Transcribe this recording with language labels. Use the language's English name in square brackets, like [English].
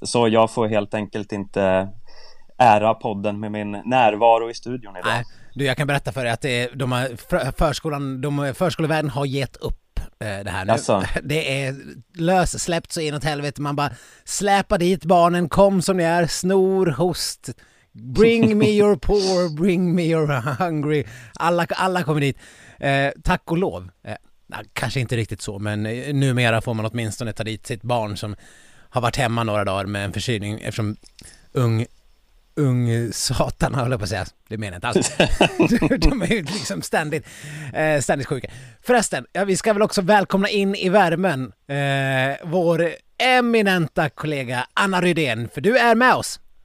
[Swedish] Så jag får helt enkelt inte ära podden med min närvaro i studion idag. Nej. Du, jag kan berätta för dig att förskolevärlden har gett upp det här nu. Alltså. Det är lössläppt så inåt helvete. Man bara släpar dit barnen, kom som ni är, snor, host. [English] Bring me your poor, bring me your hungry. [Swedish] Alla kommer dit. Tack och lov. Kanske inte riktigt så, men numera får man åtminstone ta dit sitt barn som har varit hemma några dagar med en förkylning eftersom ung satan, håller på att säga. Det menar jag inte alls. De är ju liksom ständigt sjuka. Förresten, ja, vi ska väl också välkomna in i värmen vår eminenta kollega Anna Rydén, för du är med oss.